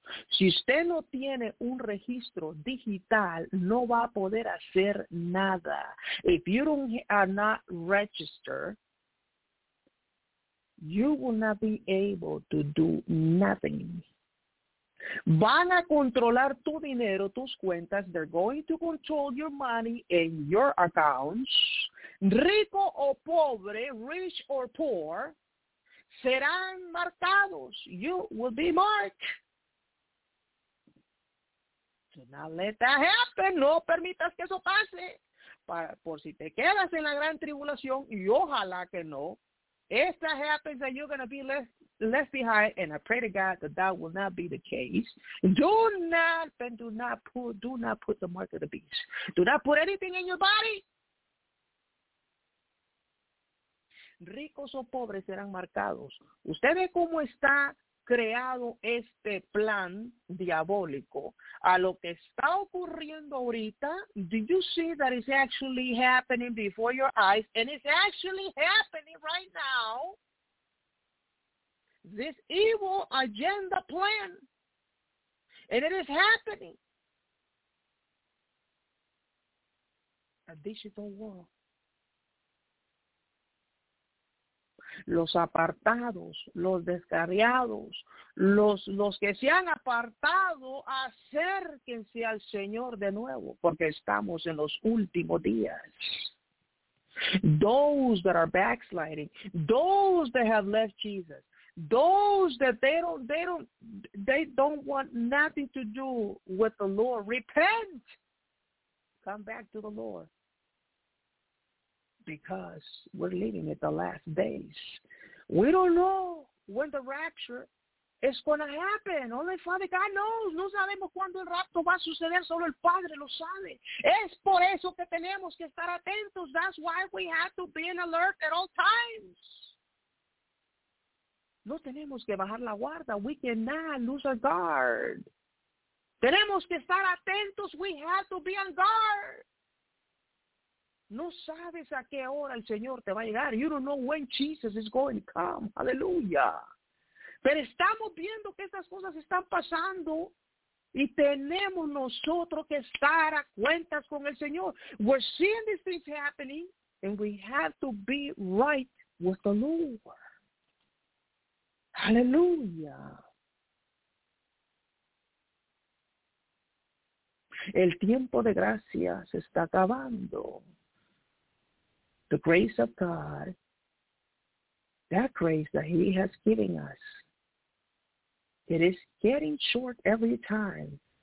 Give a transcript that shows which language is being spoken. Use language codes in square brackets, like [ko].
[es] Si usted no tiene un registro digital, no va a poder hacer nada. [en] If you are not registered, you will not be able to do nothing. [es] Van a controlar tu dinero, tus cuentas. [en] They're going to control your money and your accounts. [es] Rico o pobre, [en] rich or poor, [es] serán marcados. [en] You will be marked. Do not let that happen. [es] No permitas que eso pase. Por si te quedas en la gran tribulación, y ojalá que no, [en] if that happens and you're going to be left behind, and I pray to God that will not be the case, do not put the mark of the beast. Do not put anything in your body. [es] Ricos o pobres serán marcados. Usted ve cómo está creado este plan diabólico a lo que está ocurriendo ahorita. [en] Do you see that it's actually happening before your eyes? And it's actually happening right now. This evil agenda plan. And it is happening. A digital world. [es] Los apartados, los descarriados, los que se han apartado, acérquense al Señor de nuevo, porque estamos en los últimos días. [en] Those that are backsliding, those that have left Jesus, those that they don't want nothing to do with the Lord, repent. Come back to the Lord. Because we're living in the last days. We don't know when the rapture is going to happen. Only Father God knows. [es] No sabemos cuándo el rapto va a suceder. Solo el Padre lo sabe. Es por eso que tenemos que estar atentos. [en] That's why we have to be alert at all times. [es] No tenemos que bajar la guarda. [en] We cannot lose our guard. [es] Tenemos que estar atentos. [en] We have to be on guard. [es] No sabes a qué hora el Señor te va a llegar. [en] You don't know when Jesus is going to come. Hallelujah. [es] Pero estamos viendo que estas cosas están pasando y tenemos nosotros que estar a cuentas con el Señor. [en] We're seeing these things happening and we have to be right with the Lord. Hallelujah. [es] El tiempo de gracia se está acabando. [en] The grace of God, that grace that He has given us, it is getting short every time.